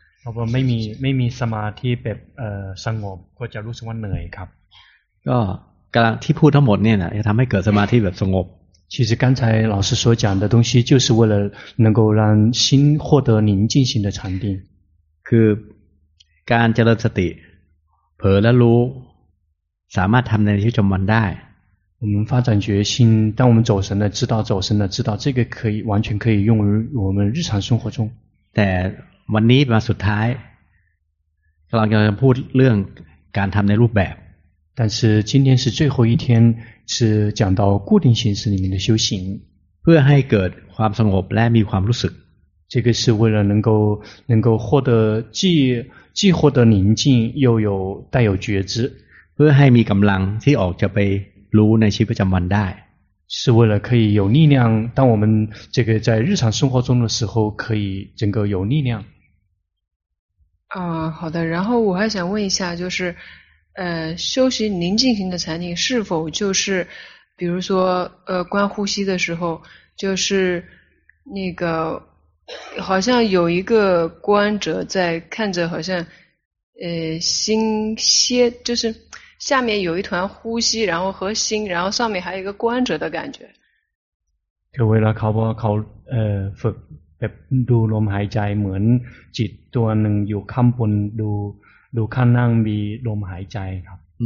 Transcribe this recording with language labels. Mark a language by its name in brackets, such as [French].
[Thai] เพราะว่าไม่มีสมาธิแบบสงบก็จะรู้สึกว่าเหนื่อยครับ ก็การที่พูดทั้งหมดเนี่ยนะจะทำให้เกิดสมาธิแบบสงบ [Chinese] 其实刚才老师所讲的东西就是为了能够让心获得宁静型的禅定 [Thai] คือการเจริญสติเผลอแล้วรู้สามารถทำในชีวิตประจำวันได้ [Chinese] 我们发展决心当我们走神了知道走神了知道这个可以完全可以用于我们日常生活中 [Thai] แต่วันนี้มาสุดท้ายกำลังจะพูดเรื่องการทำในรูปแบบ [Chinese] 但是今天是最后一天是讲到固定形式里面的修行 [Thai] เพื่อให้เกิดความสงบและมีความรู้สึก [Chinese] 这个是为了能够获得既获得宁静又有带有觉知 [Thai] เพื่อให้มีกำลังที่ออกจะไปรู้ในชีวิตประจำวันได้ [Chinese] 是为了可以有力量当我们这个在日常生活中的时候可以整个有力量好的然后我还想问一下就是修习宁静型的禅定是否就是比如说观呼吸的时候就是那个好像有一个观者在看着好像心歇就是下面有一团呼吸然后和心然后上面还有一个观者的感觉 [Thai] คือเวลาเขาบอกเขาฝึกแบบดูลมหายใจเหมือนจิตตัวหนึ่งอยู่ข้างบนดูข้างนั่งมีลมหายใจครับ